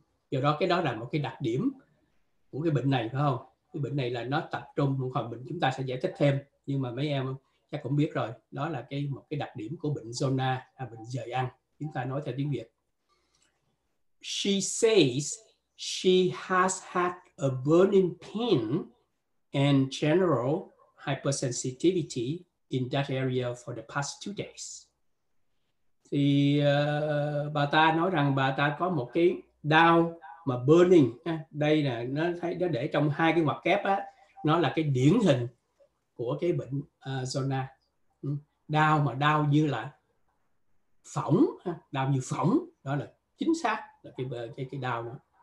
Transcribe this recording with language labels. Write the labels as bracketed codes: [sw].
[vi] Do đó cái đó là một cái đặc điểm của cái bệnh này phải không? Cái bệnh này là nó tập trung, một phần bệnh chúng ta sẽ giải thích thêm, nhưng mà mấy em chắc cũng biết rồi, đó là một cái đặc điểm của bệnh zona, bệnh dời ăn. Chúng ta nói theo tiếng Việt. [en] She says she has had a burning pain and general hypersensitivity in that area for the past 2 days. [vi] Thì bà ta nói rằng bà ta có một cái đau mà burning, đây là nó thấy nó để trong hai cái ngoặc kép á, nó là cái điển hình của cái bệnh zona. Đau mà đau như là phỏng, đau như phỏng, đó là chính xác là cái đau đó.